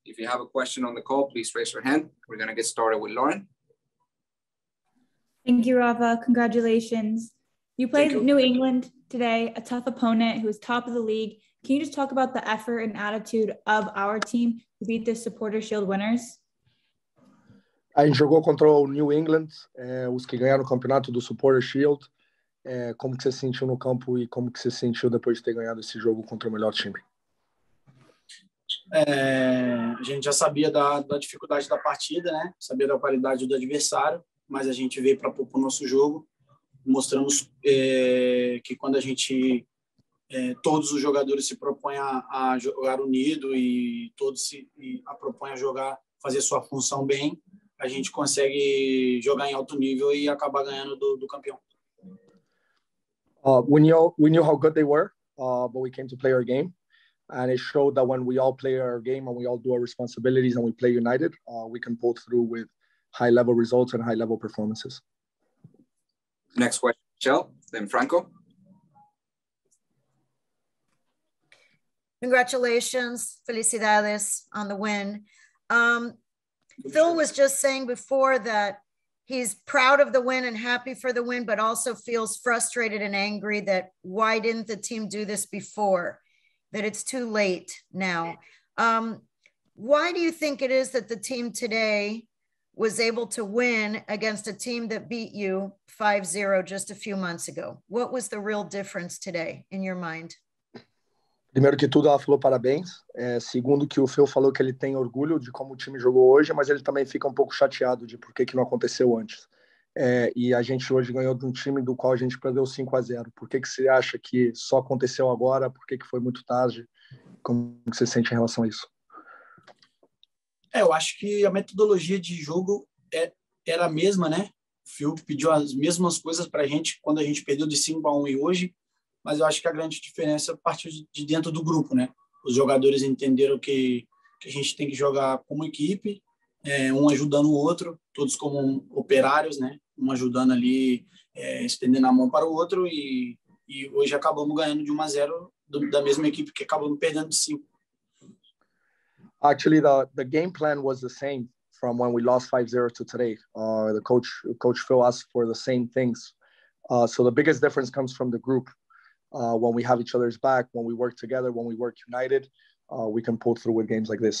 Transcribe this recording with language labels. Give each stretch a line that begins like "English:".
English: If you have a question on the call, please raise your hand. We're going to get started with Lauren. Thank you, Rafa. Congratulations. You played New England today, a tough opponent who was top of the league. Can you just talk about the effort and attitude of our team to beat the Supporter Shield winners?
Portuguese: A gente jogou contra o New England, os que ganharam o campeonato do Supporter Shield. Como que você se sentiu no campo e como que você se sentiu depois de ter ganhado esse jogo contra o melhor time? A gente já sabia da dificuldade da partida, né? Sabia da qualidade do adversário, mas a gente veio para pôr o nosso jogo. Mostramos que quando a gente... todos os jogadores se propõem a jogar unido e todos se propõem a jogar, fazer sua função bem, a gente consegue jogar em alto nível e acabar ganhando do campeão.
English: We knew how good they were, but we came to play our game. And it showed that when we all play our game and we all do our responsibilities and we play united, we can pull through with high-level results and high-level performances. Next question, Michelle, then Franco. Congratulations, felicidades on the win. Phil was just saying before that he's proud of the win and happy for the win, but also feels frustrated and angry that why didn't the team do this before, that it's too late now. Why do you think it is that the team today was able to win against a team that beat you 5-0 just a few months ago? What was the real difference today in your mind?
Portuguese: Primeiro que tudo, ela falou parabéns. Segundo que o Phil falou que ele tem orgulho de como o time jogou hoje, mas ele também fica um pouco chateado de por que não aconteceu antes. E a gente hoje ganhou de um time do qual a gente perdeu 5-0. Por que você acha que só aconteceu agora? Por que foi muito tarde? Como você sente em relação a isso? Eu acho que a metodologia de jogo era a mesma, né? O Phil pediu as mesmas coisas para a gente quando a gente perdeu de 5-1 e hoje. Mas eu acho que a grande diferença partiu de dentro do grupo, né? Os jogadores entenderam que a gente tem que jogar como equipe, um ajudando o outro, todos como operários, né? Um ajudando ali, estendendo a mão para o outro, e hoje acabamos ganhando de 1-0 da mesma equipe que acabamos perdendo de 5.
English: Actually, the game plan was the same from when we lost 5-0 to today. The coach Phil asked for the same things. So the biggest difference comes from the group. When we have each other's back, when we work together, when we work united, we can pull through with games like this.